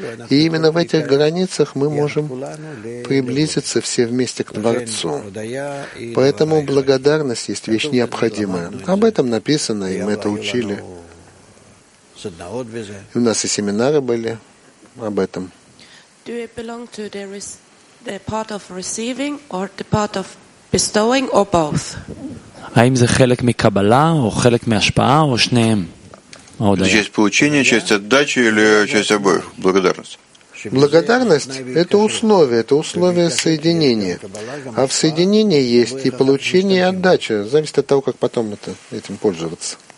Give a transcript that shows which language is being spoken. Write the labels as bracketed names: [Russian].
[Russian] И именно в этих границах мы можем приблизиться все вместе к Творцу. Поэтому благодарность есть вещь необходимая. Об этом написано, и мы это учили. И у нас и семинары были об этом. [English] The part of receiving or the part of bestowing or both? [Hebrew] Аим זה חלק מקבלה או חלק מהשפעה או שניהם? [Russian] Часть получения, часть отдачи или часть обоих? Благодарность. Благодарность — это условие соединения. А в соединении есть и получение, и отдача. Зависит от того, как потом этим пользоваться.